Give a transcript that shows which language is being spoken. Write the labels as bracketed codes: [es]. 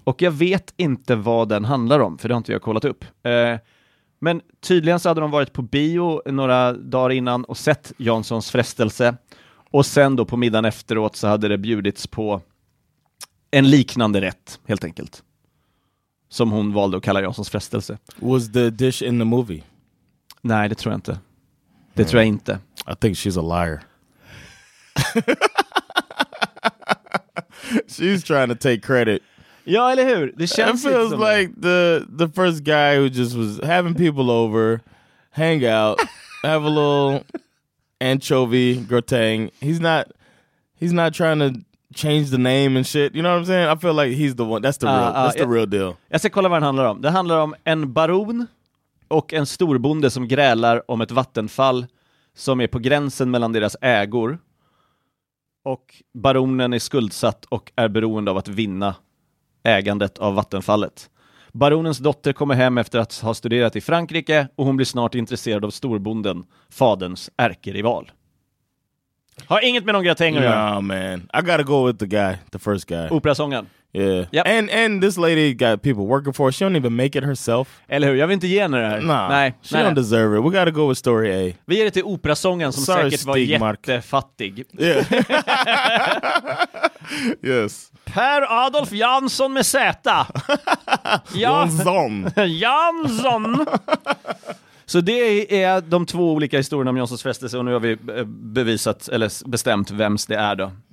[sv] Och jag vet inte vad den handlar om, för det har inte jag kollat upp. Men tydligen så hade de varit på bio några dagar innan och sett Janssons frestelse. Och sen då på middagen efteråt så hade det bjudits på en liknande rätt, helt enkelt. Som hon valde att kalla Janssons frestelse. [en] Was the dish in the movie? [sv] Nej, det tror jag inte. Det tror jag inte. [en] I think she's a liar. She's trying to take credit. [sv] Ja, eller hur? Det känns [en] it feels like the first guy who just was having people over, hang out, have a little anchovy gratin. He's not trying to change the name and shit. You know what I'm saying? I feel like he's the one. That's the real deal. [sv] Jag ska kolla vad det handlar om. Det handlar om en baron och en storbonde som grälar om ett vattenfall som är på gränsen mellan deras ägor. Och baronen är skuldsatt och är beroende av att vinna ägandet av vattenfallet. Baronens dotter kommer hem efter att ha studerat i Frankrike, och hon blir snart intresserad av storbonden, faderns ärkerival. Har inget med någon gratäng att [en] göra. No, man. I gotta go with the guy, the first guy. [sv] Operasången. [en] Yeah. Yep. And this lady got people working for her. She don't even make it herself. [sv] Eller hur? Jag vill inte ge henne det här. [en] Nah, [sv] nej. [en] She don't deserve it. We gotta go with story A. [sv] Vi ger det till operasången som [en] sorry, [sv] säkert Stig var jättefattig. [en] Yeah. Yes. [sv] Per Adolf Jansson med Z. Jansson. Jansson. Så det är de två olika historierna om Janssons frestelse, och nu har vi bevisat eller bestämt vems det är då.